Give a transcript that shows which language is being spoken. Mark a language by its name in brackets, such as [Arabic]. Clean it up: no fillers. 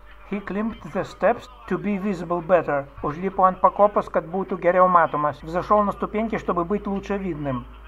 [English] He climbed the steps to be visible better. [Lithuanian] Užlipo ant pakopos, kad būtų geriau matomas. [Russian] Взошел на ступеньки, чтобы быть лучше видным.